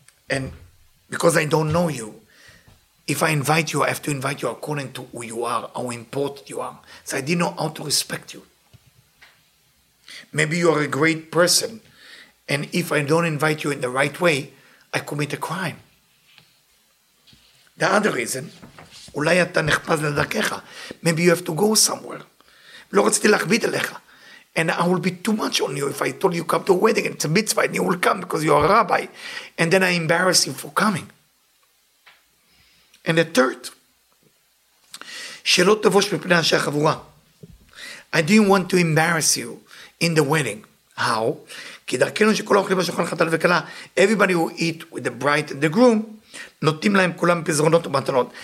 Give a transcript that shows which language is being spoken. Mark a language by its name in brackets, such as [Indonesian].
[English] And because I don't know you, if I invite you, I have to invite you according to who you are, how important you are. So I didn't know how to respect you. Maybe you are a great person, and if I don't invite you in the right way, I commit a crime. The other reason, [Hebrew] אולי אתה נחפז לדרכך. [English] Maybe you have to go somewhere. [Hebrew] לא רציתי להכביד עליך. [English] And I will be too much on you if I told you come to a wedding and it's a mitzvah and you will come because you are a rabbi. And then I embarrass you for coming. And the third, [Hebrew] שלא תבוש מפני אנשי החבורה. [English] I didn't want to embarrass you in the wedding. How? [Hebrew] כי דרכנו שכל האוכלים בשולחן חתן וכלה, [English] everybody who eat with the bride and the groom, [Hebrew] נותנים להם כולם פזרונות ומתנות.